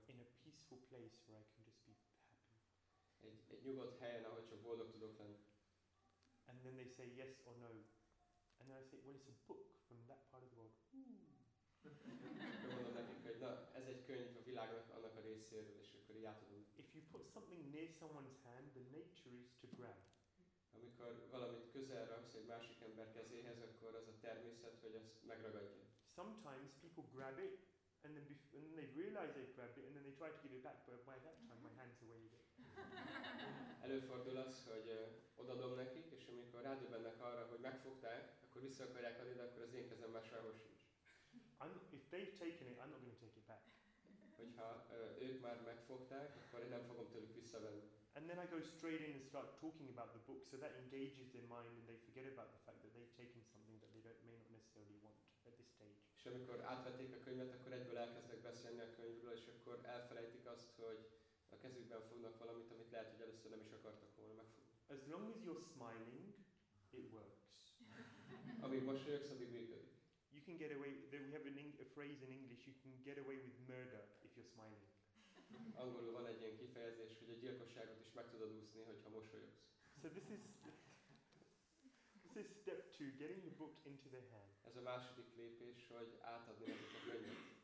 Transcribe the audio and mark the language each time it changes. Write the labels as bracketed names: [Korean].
[English] In a peaceful place where I can just be happy. [Hungarian] Egy nyugodt helyen, ahol csak boldog tudok lenni. [English] And then they say yes or no. And then I say, well, it's a book from that part of the world. [Hungarian] Akkor mondom nekik, hogy na, ez egy könyv a világnak annak a részéről, és akkor így átadom. [English] If you put something near someone's hand, the nature is to grab. [Hungarian] Amikor valamit közel raksz egy másik ember kezéhez, akkor az a természet, hogy azt megragadja. [English] Sometimes people grab it, and then and they realize they grabbed it, and then they try to give it back, but by that time my hand's away with it. [Hungarian] Előfordul az, hogy odaadom nekik, és amikor rádöbbennek arra, hogy megfogták, akkor vissza akarják adni, de akkor az én kezem már sehol sincs. [English] If they've taken it, I'm not going to take it back. [Hungarian] Hogyha ők már megfogták, akkor én nem fogom tőlük visszavenni. [English] And then I go straight in and start talking about the book, so that engages their mind and they forget about the fact that they've taken something that they may not necessarily want at this stage. [Hungarian] És amikor átvették a könyvet, akkor egyből elkezdek beszélni a könyvről, és akkor elfelejtik azt, hogy a kezükben fognak valamit, amit lehet, hogy először nem is akartak volna megfogni. [English] As long as you're smiling, it works. [Hungarian] Amíg mosolyogsz, addig működik. [English] You can get away, we have a phrase in English, you can get away with murder if you're smiling. [Hungarian] Angolul van egy ilyen kifejezés, hogy a gyilkosságot is meg tudod úszni, hogyha mosolyogsz. [English] So this is step two, getting the book into their hand. [Hungarian] Ez a második lépés, hogy átadni nekik a könyvet.